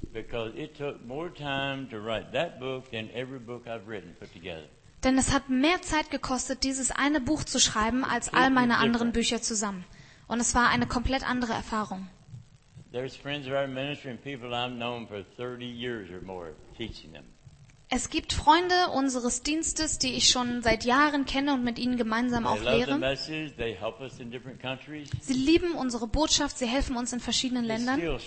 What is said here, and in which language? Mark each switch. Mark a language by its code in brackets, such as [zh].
[en] Because it took more time to write that book than every book I've written put together. [de] Denn es hat mehr Zeit gekostet, dieses eine Buch zu schreiben, als all meine anderen Bücher zusammen. Und es war eine komplett andere Erfahrung. [en] There's friends of our ministry and people I've known for 30 years or more teaching them. [de] Es gibt Freunde unseres Dienstes, die ich schon seit Jahren kenne und mit ihnen gemeinsam auch lehre. Sie lieben unsere Botschaft, sie helfen uns in verschiedenen Ländern.